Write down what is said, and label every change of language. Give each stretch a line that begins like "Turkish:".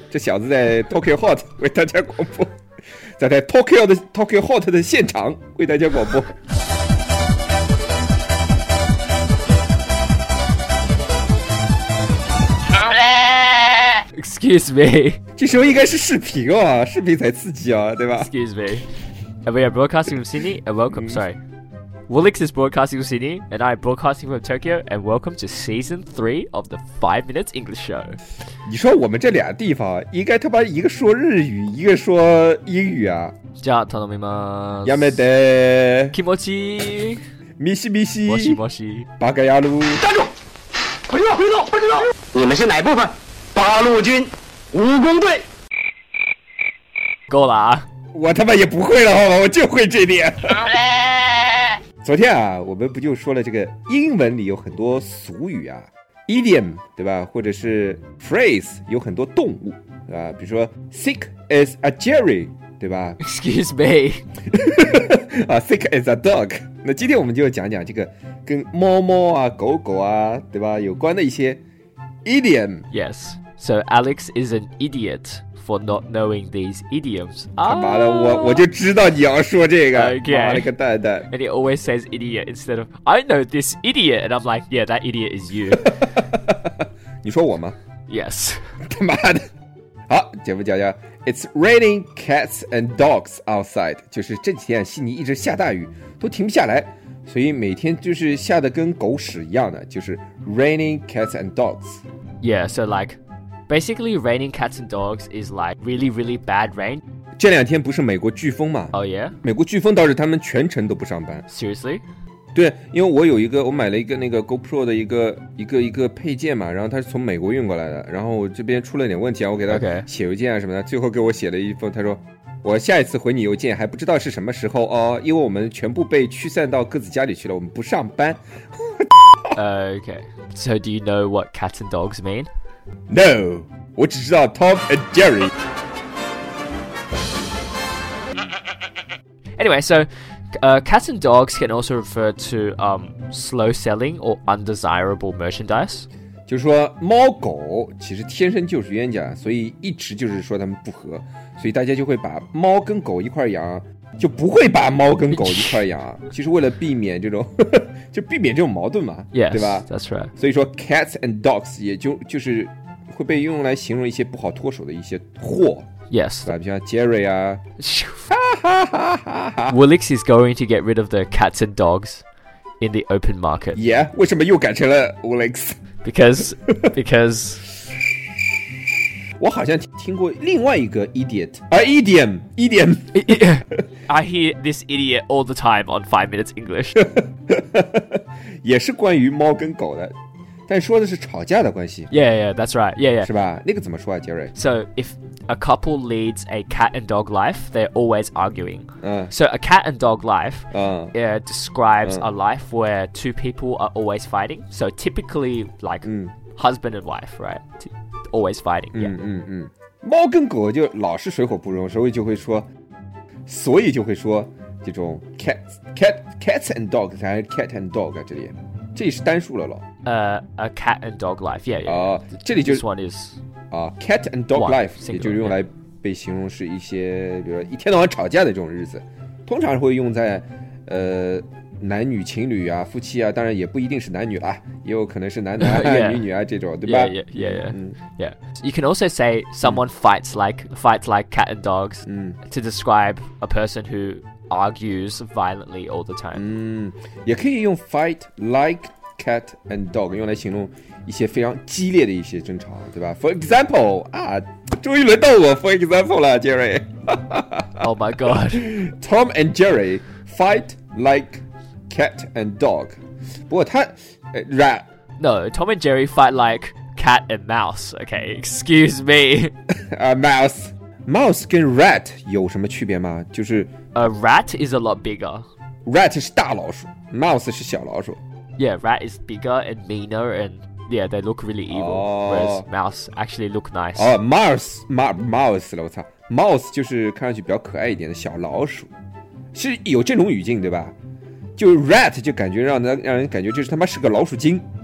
Chinese: 这小子在 Tokyo Hot 为大家广播，在 Tokyo 的 Tokyo Hot 的现场为大家广播。
English: Excuse me.
Chinese: 这时候应该是视频啊，视频才刺激啊，对吧
English: ？Excuse me. And we are broadcasting from Sydney, and welcome, sorry. Woolix is broadcasting from Sydney, and I am broadcasting from Tokyo, and welcome to Season 3 of the 5 Minutes English Show.
Chinese: 你说我们这俩地方应该他妈一个说日语，一个说英语啊。
Japanese: じゃあ頼みます。やめて。気持ちいい。ミシミシ。もしもし。バカ野郎。
Chinese: 站住！快点走，快点走，快点走！你们是哪部分？八路军，武工队。够了啊。我他妈也不会了好吗？我就会这点。昨天啊，我们不就说了这个英文里有很多俗语啊 ，idiom 对吧？或者是 phrase 有很多动物啊，比如说
English: sick as a Jerry
Chinese: 对吧
English: ？Excuse me，啊 ，sick as a dog。
Chinese: 那今天我们就讲讲这个跟猫猫啊、狗狗啊，对吧？有关的一些 idiom。
English: Yes， so Alex is an idiot. For not knowing these idioms.
Chinese: 他妈的，我就知道你要说这个。
English: Okay.
Chinese: 妈了个蛋蛋。
English: And he always says idiot instead of, I know this idiot. And I'm like, yeah, that idiot is you.
Chinese: 你说我吗？
English: Yes.
Chinese: 他妈的。好，节目讲讲。
English: It's raining cats and dogs outside.
Chinese: 就是这几天悉尼一直下大雨，都停不下来。所以每天就是下的跟狗屎一样的，就是
English: raining cats and dogs. Yeah, so like,Basically, raining cats and dogs is like really, really bad rain.
Chinese: 这两天不是美国飓风吗？
English: Oh yeah.
Chinese: 美国飓风导致他们全程都不上班。
English: Seriously?
Chinese: 对，因为我有一个，我买了一个那个 GoPro 的一个配件嘛，然后它是从美国运过来的，然后我这边出了点问题啊，我给他写邮件啊什么的，
English: okay.
Chinese: 最后给我写了一封，他说我下一次回你邮件还不知道是什么时候哦，因为我们全部被驱散到各自家里去了，我们不上班。
English: okay. So do you know what cats and dogs mean?
Chinese: No, 我只知道 Tom and Jerry.
English: Anyway, so, cats and dogs can also refer to slow selling or undesirable merchandise.
Chinese: 就是说猫狗其实天生就是冤家，所以一直就是说他们不和，所以大家就会把猫跟狗一块养，就不会把猫跟狗一块养，其实为了避免这种。就避免这种矛盾嘛，
English: yes,
Chinese: 对吧
English: ？That's right.
Chinese: 所以说 ，
English: cats and dogs
Chinese: 也就是会被用来形容一些不好脱手的一些货。
English: Yes，
Chinese: 对吧？比如像 Jerry 啊。
English: Woolix is going to get rid of the cats and dogs in the open market.
Chinese: Yeah， 为什么又改成了 Woolix？
English: Because
Chinese: 我好像听过另外一个 idiot， 啊 ，idiom。
English: I hear this idiot all the time on 5 Minutes English.
Chinese: 也是关于猫跟狗的，但说的是吵架的关系。
English: Yeah, yeah, that's right. Yeah, yeah.
Chinese: 是吧？那个怎么说啊 ，Jerry?
English: So if a couple leads a cat and dog life, they're always arguing. So a cat and dog life, describes a life where two people are always fighting. So typically, like husband and wife, right? Always fighting. Yeah.
Chinese: 猫跟狗就老是水火不容，所以就会说。所以就会说这种
English: cats and dogs
Chinese: 还是
English: cat and dog
Chinese: 啊，这里是单数了咯。
English: A cat and dog life, yeah, yeah.
Chinese: 这里就
English: this one is cat and dog one, life, single,
Chinese: 也就是用来被形容是一些，比如说一天到晚吵架的这种日子，通常会用在男女情侣啊、夫妻啊，当然也不一定是男女啦，也有可能是男男啊、
English: yeah.
Chinese: 女女啊这种，对吧
English: ？Yeah. You can also say someone fights like cat and dogs to describe a person who argues violently all the time.
Chinese: 也可以用
English: fight like cat and dog
Chinese: 用来形容一些非常激烈的一些争吵，对吧？
English: For example,
Chinese: 啊，终于轮到我
English: for example
Chinese: 了 Jerry.
English: Oh my god. Tom and Jerry fight like cat and dog.
Chinese: 不过他、rat.
English: No, Tom and Jerry fight like cat and mouse. Okay, excuse me. mouse.
Chinese: Mouse 跟 rat 有什么区别吗？就是
English: a rat is a lot bigger.
Chinese: Rat 是大老鼠， mouse 是小老鼠。
English: Yeah, rat is bigger and meaner, and yeah, they look really evil.、Whereas mouse actually look nice.
Chinese: Oh, mouse, mouse 了，我操 ，mouse 就是看上去比较可爱一点的小老鼠，是有这种语境对吧？就 rat 就感觉让人感觉就是他妈是个老鼠精。